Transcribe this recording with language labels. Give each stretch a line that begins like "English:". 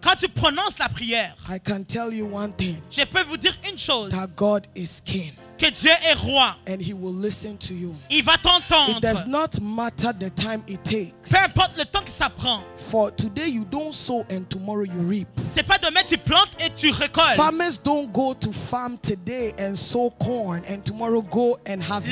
French: quand tu prononces la prière,
English: I can tell you one thing.
French: Je peux vous dire une chose.
English: That God is king.
French: Que Dieu est roi.
English: And he will listen to you.
French: Il va t'entendre.
English: It does not matter the time it takes.
French: Peu importe le temps que ça prend.
English: For today you don't sow and tomorrow you reap.
French: C'est pas demain tu plantes et tu récoltes.
English: Farmers don't go to farm today and sow corn and tomorrow go and harvest.